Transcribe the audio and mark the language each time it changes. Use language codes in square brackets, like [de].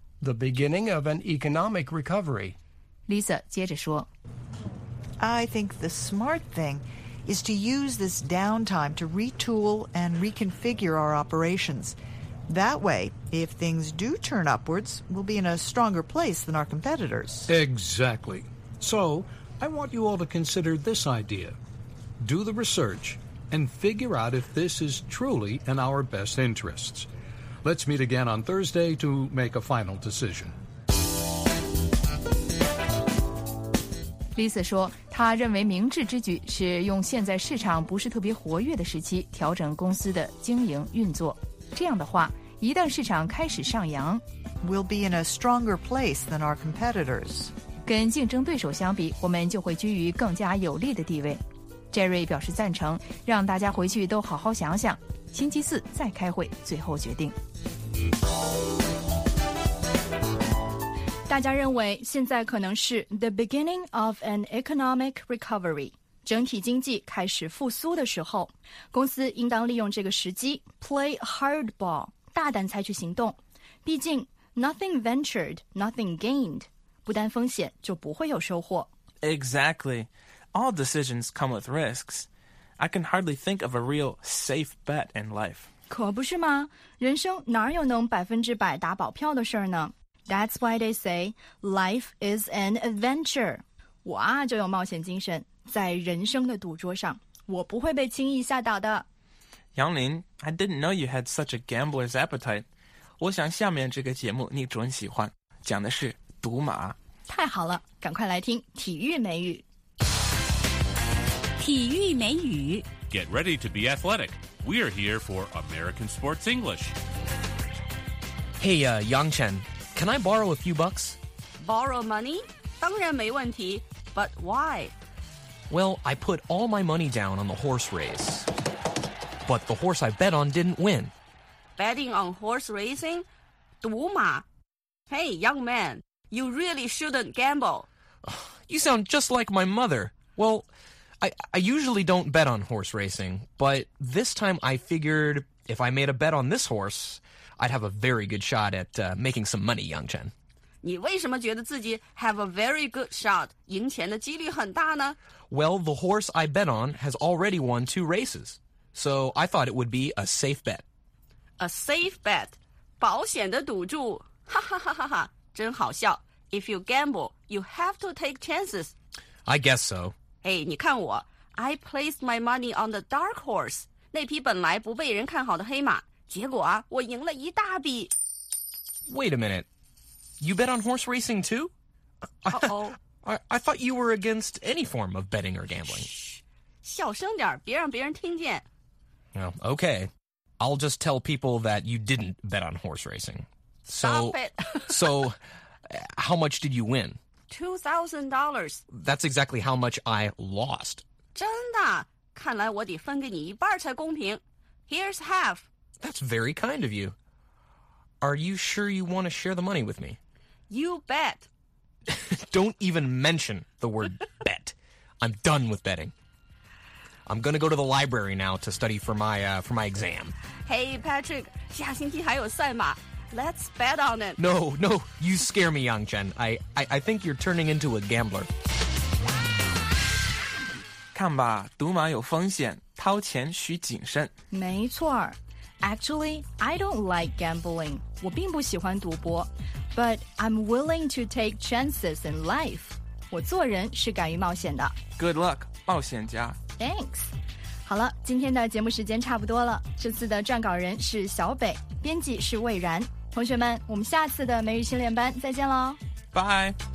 [en] The beginning of an economic recovery. [zh] Lisa 接着说。 [en] I think the smart thing is to use this downtime to retool and reconfigure our operations. That way, if things do turn upwards, we'll be in a stronger place than our competitors. Exactly. So, I want you all to consider this idea. Do the research and figure out if this is truly in our best interests. Let's meet again on Thursday to make a final decision. [zh] Lisa 说，他认为明智之举是用现在市场不是特别活跃的时期调整公司的经营运作。这样的话，一旦市场开始上扬 [en] ，We'll be in a stronger place than our competitors. [zh] 跟竞争对手相比，我们就会居于更加有利的地位。 Jerry 表示赞成，让大家回去都好好想想，星期四再开会，最后决定。大家认为现在可能是 [en] the beginning of an economic recovery， [zh] 整体经济开始复苏的时候，公司应当利用这个时机 [en] play hardball， [zh] 大胆采取行动。毕竟 [en] nothing ventured, nothing gained， [zh] 不担风险就不会有收获。 [en] Exactly, all decisions come with risks. I can hardly think of a real safe bet in life. [zh] 可不是吗？人生哪有能百分之百打保票的事儿呢？ [en] That's why they say life is an adventure. [zh] 我啊就有冒险精神，在人生的赌桌上，我不会被轻易吓倒的。 [en] 杨林 ，I didn't know you had such a gambler's appetite. [zh] 我想下面这个节目你准喜欢，讲的是赌马。太好了，赶快来听体育美语。体育美语。 [en] Get ready to be athletic. We are here for American Sports English. Hey, Yang Chen. Can I borrow a few bucks? Borrow money? [zh] 当然没问题 [en] but why? Well, I put all my money down on the horse race. But the horse I bet on didn't win. Betting on horse racing? [zh] 赌马 [en] Hey, young man, you really shouldn't gamble. You sound just like my mother. Well, I usually don't bet on horse racing, but this time I figured if I made a bet on this horse... I'd have a very good shot at making some money, Yang Chen. [zh] 你为什么觉得自己 [en] have a very good shot, [zh] 赢钱的几率很大呢? [en] Well, the horse I bet on has already won two races, so I thought it would be a safe bet. A safe bet? [zh] 保险的赌注? [en] Ha ha ha ha ha, [zh] 真好笑。 [en] If you gamble, you have to take chances. I guess so. Hey, [zh] 你看我, [en] I placed my money on the dark horse, [zh] 那匹本来不被人看好的黑马。结果啊，我赢了一大笔。 [en] Wait a minute. You bet on horse racing too? Uh-oh. I thought you were against any form of betting or gambling. [zh] Shh. 小声点，别让别人听见。 [en] Oh, okay. I'll just tell people that you didn't bet on horse racing. So, Stop it. So, how much did you win? $2,000. That's exactly how much I lost. [zh] 真的？看来我得分给你一半才公平。 [en] Here's half. That's very kind of you. Are you sure you want to share the money with me? You bet. Don't even mention the word bet. I'm done with betting. I'm going to go to the library now to study for my exam. [zh] Hey, Patrick, 下星期还有赛马。 [en] Let's bet on it. No, no, you scare me, Yang Chen. I think you're turning into a gambler. [zh] 看吧，赌马有风险，掏钱需谨慎。没错儿。 [en] Actually, I don't like gambling. [zh] 我并不喜欢赌博 [en] But I'm willing to take chances in life. [zh] 我做人是敢于冒险的 [en] Good luck, [zh] 冒险家 [en] Thanks. [zh] 好了，今天的节目时间差不多了。这次的撰稿人是小北，编辑是魏然。同学们，我们下次的美语训练班再见喽。 [en] Bye.